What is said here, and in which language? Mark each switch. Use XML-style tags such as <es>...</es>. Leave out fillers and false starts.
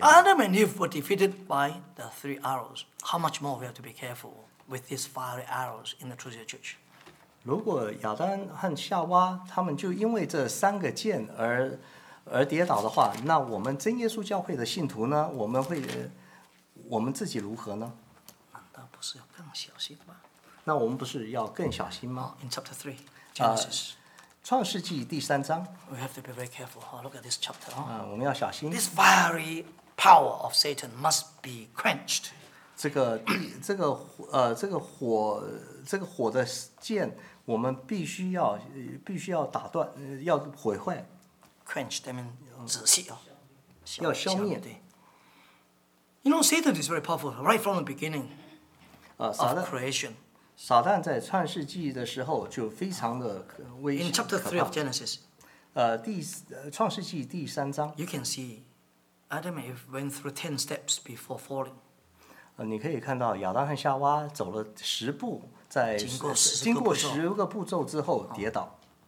<en>倒 If Adam and Eve were defeated by the three arrows How much more we have to be careful with these fiery arrows in the Trinity Church</en> <zh>如果亚当和夏娃他们就因为这三个箭 而跌倒的话，那我们真耶稣教会的信徒呢？我们自己如何呢？难道不是要更小心吗？那我们不是要更小心吗</zh> <en>？In chapter three, Genesis,</en> <zh>创世纪第三章。</zh> <en>We have to be very careful. Look at this chapter.</en> <zh>我们要小心。</zh> <en>This fiery power of Satan must be quenched.</en> <zh>这个火的箭，我们必须要打断，要毁坏。</zh> <en>Quench, that means</en> <zh>止息啊，要消灭。对。</zh> <en>You know, Satan is very powerful right from the beginning. Of creation.</en> <zh>撒旦在创世纪的时候就非常的危险。</zh> <en>In chapter 3 of Genesis.</en> <zh>创世纪第三章。</zh> <en>You can see Adam and Eve went through 10 steps before falling.</en> <zh>你可以看到亚当和夏娃走了十步，在经过十个步骤之后跌倒。</zh>